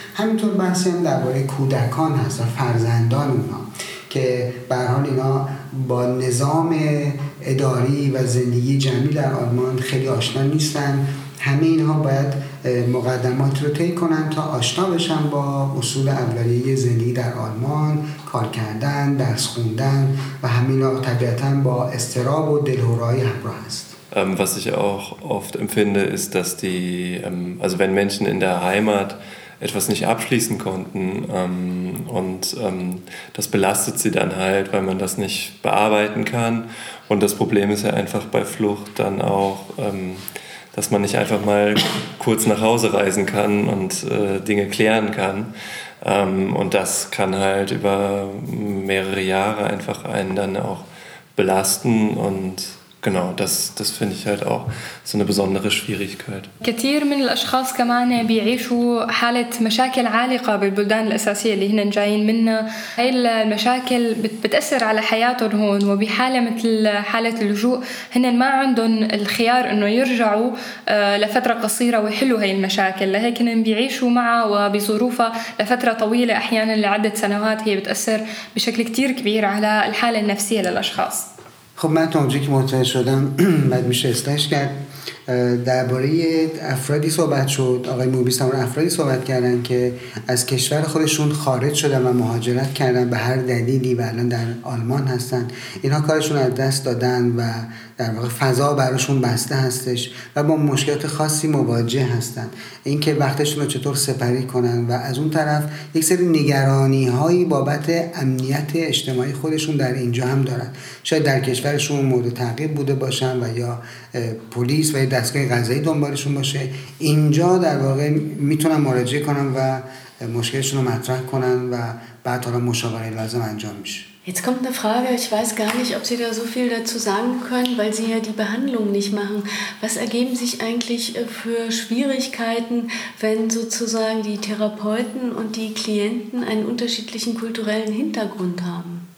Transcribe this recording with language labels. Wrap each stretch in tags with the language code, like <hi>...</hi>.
<fa>همینطور بحثی هم درباره کودکان هست و فرزندان اونها، که به حال اینا با نظام اداری و زندگی جمعی در آلمان خیلی آشنا نیستن، همه اینها باید مقدمات رو طی کنن تا آشنا بشن با اصول اولیه زندگی در آلمان، کار کردن، درس خوندن، و همه اینا طبیعتاً با استراب و دلهورای همراه است.</fa> <de>Was ich auch oft empfinde ist, dass die also wenn Menschen in der Heimat etwas nicht abschließen konnten und das belastet sie dann halt, weil man das nicht bearbeiten kann. Und das Problem ist ja einfach bei Flucht dann auch, dass man nicht einfach mal kurz nach Hause reisen kann und Dinge klären kann. Und das kann halt über mehrere Jahre einfach einen dann auch belasten und genau, das finde ich halt auch so eine besondere Schwierigkeit.</de> <ar>كثير من الأشخاص كمان بيعيشوا حالة مشاكل عالقة بالبلدان الأساسية اللي هن جايين منها. هاي المشاكل بتأثر على حياتهم هون، وبحالة مثل حالة اللجوء هن ما عندهم الخيار إنه يرجعوا لفترة قصيرة ويحلوا هاي المشاكل، لهيك هن بيعيشوا معها وبظروفها لفترة طويلة أحيانا لعدة سنوات، هي بتأثر بشكل كتير كبير على الحالة النفسية للأشخاص.</ar> <fa>خب من تا اونجایی که متوجه شدم بعد میشه استش کرد، درباره افرادی صحبت شد، آقای موبیس هم افرادی صحبت کردن که از کشور خودشون خارج شدن و مهاجرت کردن به هر دلیلی و الان در آلمان هستن، اینها کارشون از دست دادن و در واقع فضا براشون بسته هستش و با مشکلات خاصی مواجه هستن، اینکه وقتشون رو چطور سپری کنن، و از اون طرف یک سری نگرانی هایی بابت امنیت اجتماعی خودشون در اینجا هم دارن، شاید در کشورشون مورد تعقیب بوده باشن و یا پلیس و یا دستگاه قضایی دنبالشون باشه، اینجا در واقع میتونن مراجعه کنن و مشکلشون رو مطرح کنن و بعد حالا مشاوره لازم انجام میشه.</fa> <de>Jetzt kommt eine Frage, ich weiß gar nicht, ob Sie da so viel dazu sagen können, weil Sie ja die Behandlung nicht machen. Was ergeben sich eigentlich für Schwierigkeiten, wenn sozusagen die Therapeuten und die Klienten einen unterschiedlichen kulturellen Hintergrund haben?</de>